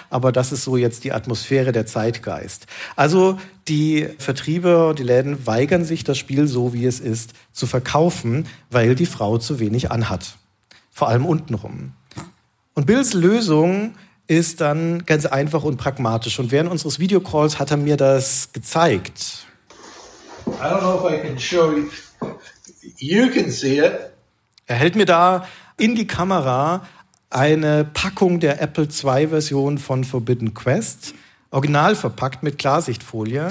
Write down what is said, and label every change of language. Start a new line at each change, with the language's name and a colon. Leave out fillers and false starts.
German: Aber das ist so jetzt die Atmosphäre, der Zeitgeist. Also die Vertriebe, die Läden weigern sich, das Spiel so wie es ist zu verkaufen, weil die Frau zu wenig anhat. Vor allem untenrum. Und Bills Lösung ist dann ganz einfach und pragmatisch. Und während unseres Videocalls hat er mir das gezeigt.
English: I don't know if I can show you. You can see it.
German: Er hält mir da in die Kamera eine Packung der Apple II-Version von Forbidden Quest, original verpackt mit Klarsichtfolie.